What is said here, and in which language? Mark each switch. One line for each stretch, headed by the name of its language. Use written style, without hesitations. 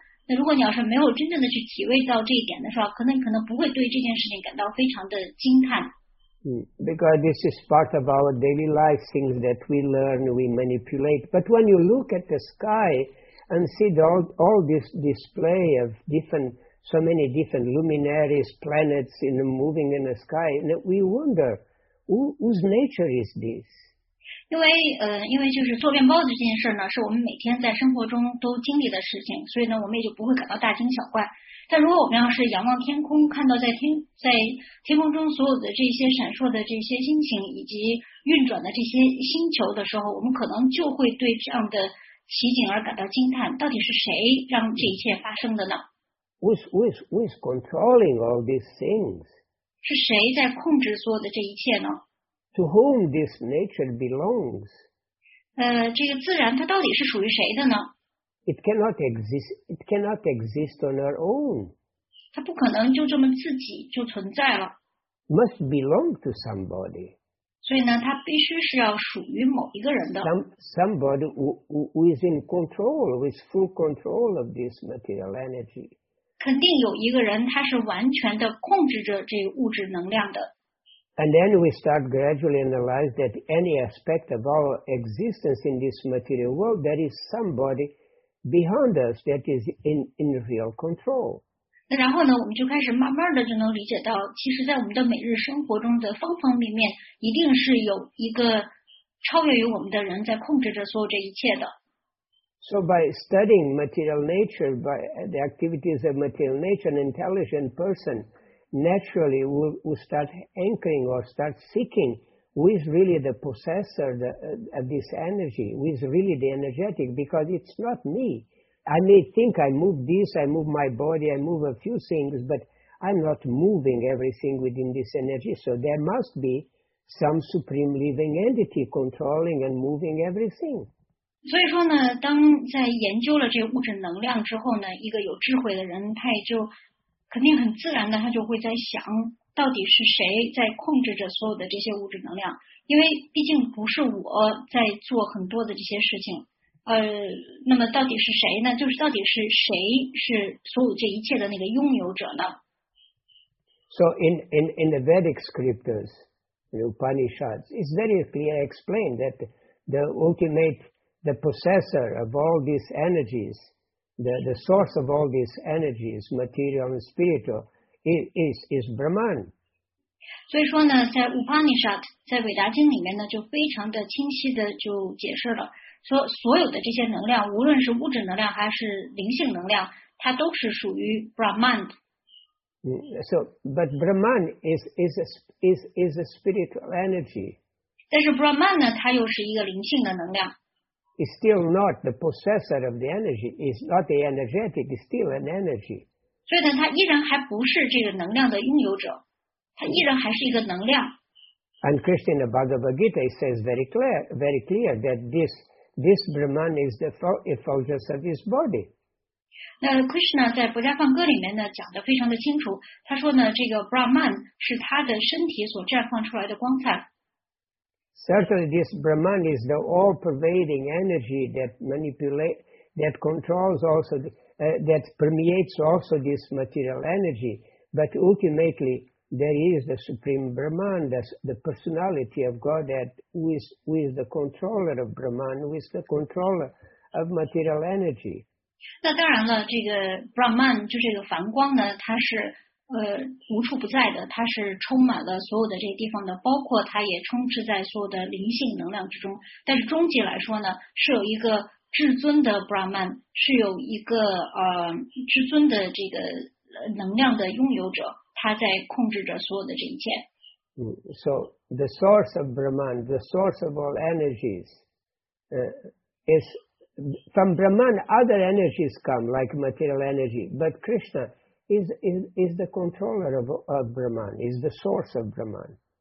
Chinese: 那如果你要是没有真正的去体味到这一点的时候，可能不会对这件事情感到非常的惊叹。
English: Because this is part of our daily life, things that we learn, we manipulate. But when you look at the sky and see all this display of different, so many different luminaries, planets in the moving in the sky, and we wonder whose nature is this?
Chinese: 因为就是做面包的这件事呢，是我们每天在生活中都经历的事情，所以呢，我们也就不会感到大惊小怪。但如果我们要是仰望天空，看到在天空中所有的这些闪烁的这些星星以及运转的这些星球的时候，我们可能就会对这样的奇景而感到惊叹，到底是谁让这一切发生的呢？
English: Who's controlling all these things?
Chinese: 是谁在控制所有的这一切呢？
English: To whom this nature belongs?
Chinese: 这个自然它到底是属于谁的呢？
English: It cannot exist on our own.
Chinese: 它不可能就这么自己就存在了。
English: Must belong to somebody.
Chinese: 所以呢，它必须是要属于某一个人的。
English: Somebody who is in control, who is full control of this material energy.
Chinese: 肯定有一个人，他是完全的控制着这个物质能量的。
English: And then we start gradually analyze that any aspect of our existence in this material world, there is somebody behind us that is in real control.
Chinese: 那然后呢，我们就开始慢慢的就能理解到，其实在我们的每日生活中的方方面面，一定是有一个超越于我们的人在控制着所有这一切的。
English: So by studying material nature, by the activities of material nature, an intelligent person naturally will start anchoring or start seeking who is really the possessor of this energy, who is really the energetic, because it's not me. I may think I move this, I move my body, I move a few things, but I'm not moving everything within this energy. So there must be some supreme living entity controlling and moving everything.
Chinese: 所以说呢，当在研究了这个物质能量之后呢，一个有智慧的人，他也就肯定很自然的，他就会在想，到底是谁在控制着所有的这些物质能量？因为毕竟不是我在做很多的这些事情，那么到底是谁呢？就是到底是谁是所有这一切的那个拥有者呢
English: ？So in the Vedic scriptures, the Upanishads, it's very clear explained that the ultimateThe possessor of all these energies, the source of all these energies, material and spiritual, is Brahman.
Chinese: 所以说呢，在 Upanishad, 在伟达经里面呢，就非常的清晰的就解释了，说所有的这些能量，无论是物质能量还是灵性能量，它都是属于 Brahman.
English: So, but Brahman is a spiritual energy.
Chinese: 但是 Brahman 呢，它又是一个灵性的能量。
English: is still not the possessor of the energy, is not the energetic, is still an energy.
Chinese: 所以呢，它依然还不是这个能量的拥有者，它依然还是一个能量。
English: And Krishna Bhagavad Gita says very clear that this Brahman is the effulgence of his body.
Chinese: 那 Krishna 在《不加放歌》里面呢讲得非常的清楚，他说呢，这个 Brahman 是他的身体所绽放出来的光彩。
English: Certainly, this Brahman is the all-pervading energy that manipulates, that controls also, that permeates also this material energy. But ultimately, there is the Supreme Brahman, the personality of Godhead, who is the controller of Brahman, who is the controller of material energy.
Chinese: 那当然了，这个 Brahman 就这个梵光呢，它是。无处不在的，它是充满了所有的这个地方的，包括它也充斥在所有的灵性能量之中。但是终极来说呢，是有一个至尊的 Brahman， 是有一个至尊的这个能量的拥有者，他在控制着所有的这一切。
English: So the source of Brahman, the source of all energies, is from Brahman. Other energies come like material energy, but Krishna. Is the controller of Brahman, is the source of Brahman.